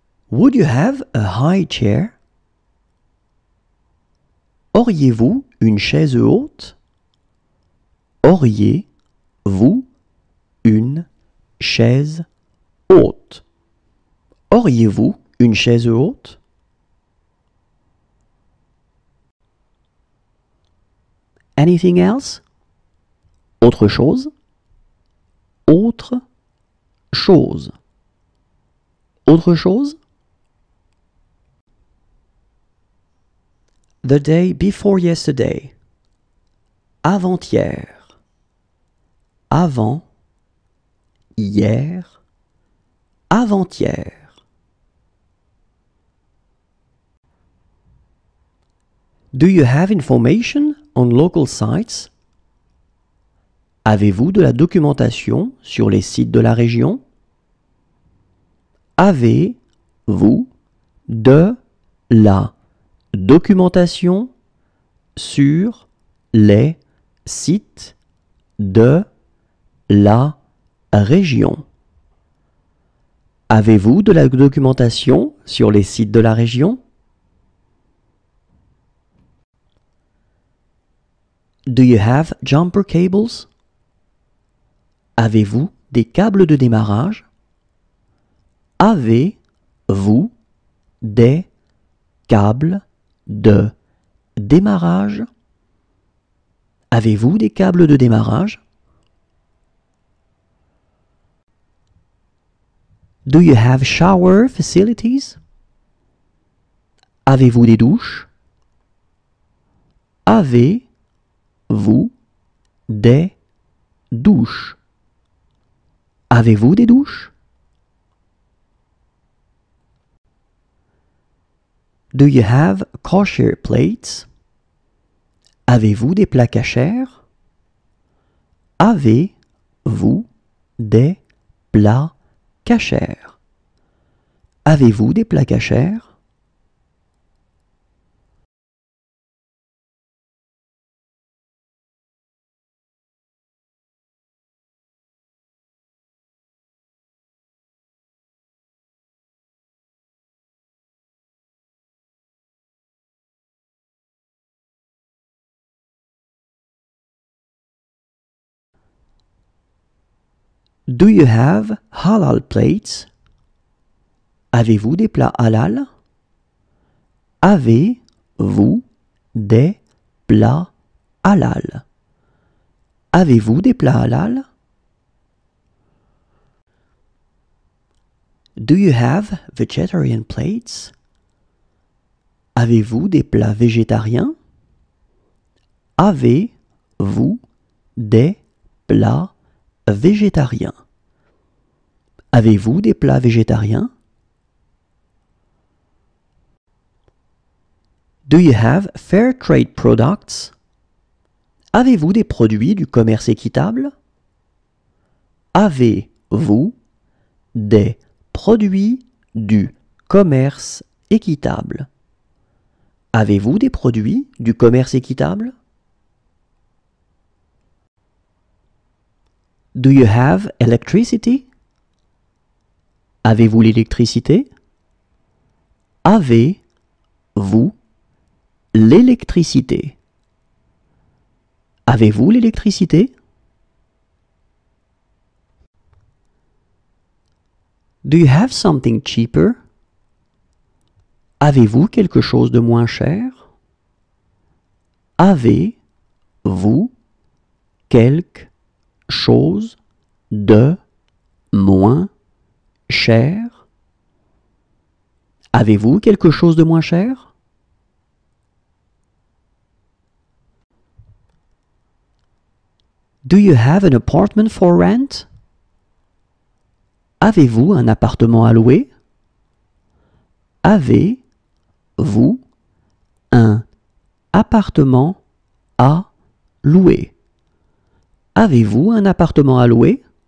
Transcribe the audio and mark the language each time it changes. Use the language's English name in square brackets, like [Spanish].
[English] Would you have a high chair? [French] Auriez-vous une chaise haute? Auriez-vous une chaise haute? Auriez-vous une chaise haute? [English] Anything else? [French] Autre chose? Autre chose? Autre chose? [English] The day before yesterday. [French] Avant-hier. Avant-hier. Avant-hier. [English] Do you have information on local sites? [French] Avez-vous de la documentation sur les sites de la région? Avez-vous de la documentation sur les sites de la région? Avez-vous de la documentation sur les sites de la région? [English] Do you have jumper cables? [French] Avez-vous des câbles de démarrage? Avez-vous des câbles de démarrage. Avez-vous des câbles de démarrage? [English] Do you have shower facilities? [French] Avez-vous des douches? Avez-vous des douches? Avez-vous des douches? [English] Do you have kosher plates? [French] Avez-vous des plats cachers? Avez-vous des plats cachers? Avez-vous des plats cachers? [English] Do you have halal plates? [French] Avez-vous des plats halal? Avez-vous des plats halal? Avez-vous des plats halal? [English] Do you have vegetarian plates? [French] Avez-vous des plats végétariens? Avez-vous des plats végétariens? Avez-vous des plats végétariens? [English] Do you have fair trade products? [French] Avez-vous des produits du commerce équitable? Avez-vous des produits du commerce équitable? Avez-vous des produits du commerce équitable? [English] Do you have electricity? [French] Avez-vous l'électricité? Avez-vous l'électricité? Avez-vous l'électricité? [English] Do you have something cheaper? [French] Avez-vous quelque chose de moins cher? Avez-vous quelque chose de moins cher? Cher? Avez-vous quelque chose de moins cher? [English] Do you have an apartment for rent? [French] Avez-vous un appartement à louer? Avez-vous un appartement à louer? Avez-vous un appartement à louer?